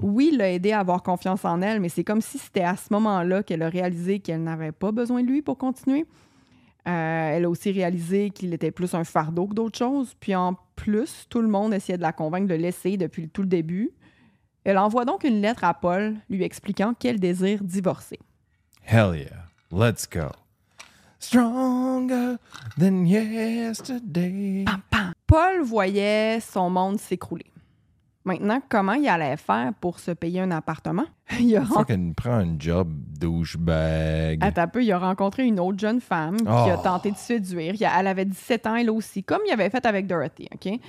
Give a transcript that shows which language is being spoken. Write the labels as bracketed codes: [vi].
[fr] Oui, l'a aidé à avoir confiance en elle, mais c'est comme si c'était à ce moment-là qu'elle a réalisé qu'elle n'avait pas besoin de lui pour continuer. Elle a aussi réalisé qu'il était plus un fardeau que d'autres choses. Puis en plus, tout le monde essayait de la convaincre de l'essayer depuis tout le début. Elle envoie donc une lettre à Paul lui expliquant qu'elle désire divorcer. [en] Hell yeah, let's go. Stronger than yesterday. Pam, pam. [fr] Paul voyait son monde s'écrouler. Maintenant, comment il allait faire pour se payer un appartement? Il a [en] fucking [fr] prend un job, [en] douchebag. [fr] Attends un peu, il a rencontré une autre jeune femme qui a tenté de séduire. Elle avait 17 ans, elle aussi, comme il avait fait avec Dorothy, OK?